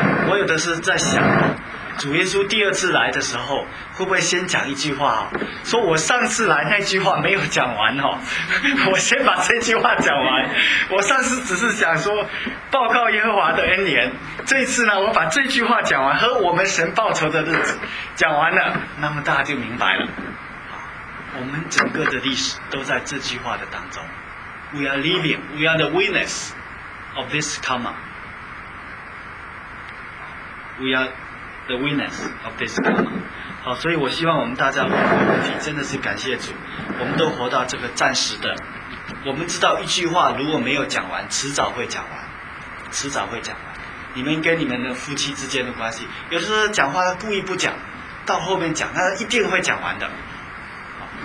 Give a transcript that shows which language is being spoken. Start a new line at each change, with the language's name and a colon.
Chinese: 我有的是在想，主耶稣第二次来的时候，会不会先讲一句话，说我上次来那句话没有讲完，我先把这句话讲完，我上次只是想说报告耶和华的恩典，这次呢，我把这句话讲完，和我们神报仇的日子讲完了，那么大家就明白了，我们整个的历史都在这句话的当中。
English: We are living, we are the witness of this coming. We areThe witness of this coming.
Chinese: 好，所以我希望我们大家问问题，真的是感谢主，我们都活到这个暂时的。我们知道一句话如果没有讲完，迟早会讲完，迟早会讲完。你们跟你们的夫妻之间的关系，有时候讲话故意不讲，到后面讲，那一定会讲完的。好，